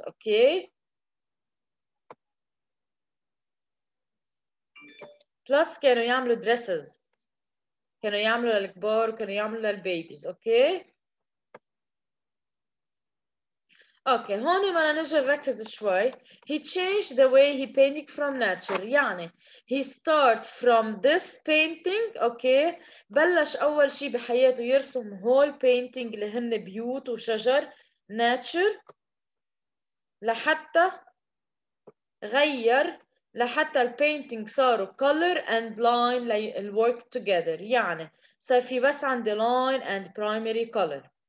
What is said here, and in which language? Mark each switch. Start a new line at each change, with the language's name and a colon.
Arabic: اوكي بلس كانوا يعملوا dresses، كانوا يعملوا للكبار وكانوا يعملوا للبيبيز. اوكي اوكي هون بدنا نجي نركز شوي.
English: He changed the way he painted from nature، يعني he start from this painting.
Arabic: اوكي بلش اول شيء بحياته يرسم هول painting اللي هن بيوت وشجر nature، لحتى غير لحتى البينتينج صاروا
English: color and line work together،
Arabic: يعني صار في بس عندي
English: line and primary color.